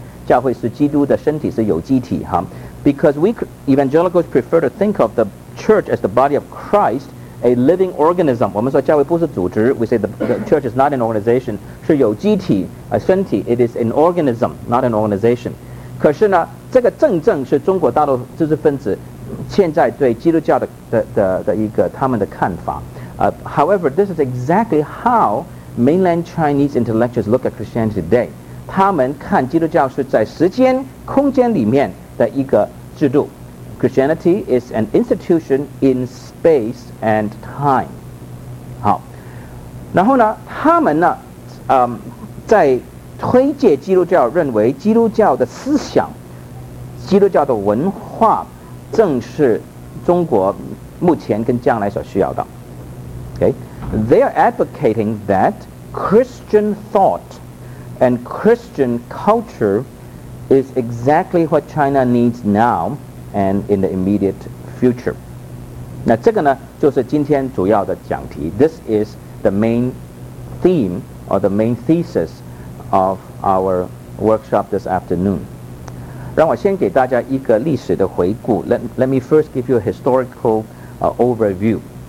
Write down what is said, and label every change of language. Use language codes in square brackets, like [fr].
[zh] 那这个是我们福音派基督徒常常不愿意提的一点。我们说教会是基督的身体是有机体, huh? [en] Because we evangelicals prefer to think of the church as the body of Christ, a living organism. [zh] 我们说教会不是组织, [en] we say the church is not an organization, [zh] 是有机体, 身体, [en] it is an organism, not an organization. [zh] 可是呢, 这个正正是中国大陆知识分子现在对基督教的一个他们的看法. [en] However, this is exactly how mainland Chinese intellectuals look at Christianity today. [zh] 他们看基督教是在时间空间里面的一个制度. [en] Christianity is an institution in space and time. [zh] 好, 然后呢, 他们呢, 在推介基督教认为基督教的思想, 基督教的文化, 正是中国目前跟将来所需要的. [en] Okay? They are advocating that Christian thought and Christian culture is exactly what China needs now and in the immediate future. [zh] 那这个呢, 就是今天主要的讲题. [en] This is the main theme or the main thesis of our workshop this afternoon. [zh] 让我先给大家一个历史的回顾. [en] Let me first give you a historical overview.